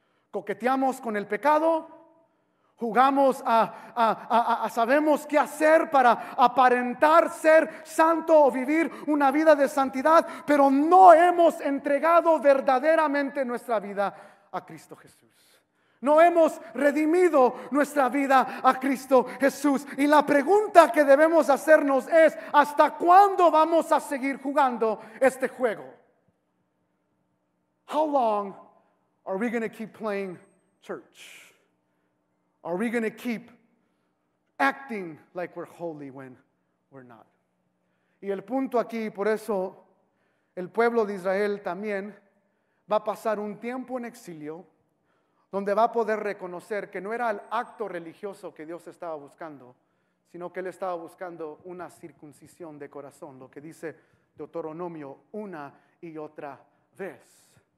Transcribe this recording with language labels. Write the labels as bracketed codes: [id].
[es] Coqueteamos con el pecado, jugamos a sabemos qué hacer para aparentar ser santo o vivir una vida de santidad, pero no hemos entregado verdaderamente nuestra vida a Cristo Jesús. No hemos redimido nuestra vida a Cristo Jesús. Y la pregunta que debemos hacernos es, ¿hasta cuándo vamos a seguir jugando este juego? [en] How long are we going to keep playing church? Are we going to keep acting like we're holy when we're not? [es] Y el punto aquí, por eso el pueblo de Israel también va a pasar un tiempo en exilio, donde va a poder reconocer que no era el acto religioso que Dios estaba buscando, sino que Él estaba buscando una circuncisión de corazón, lo que dice Deuteronomio una y otra vez.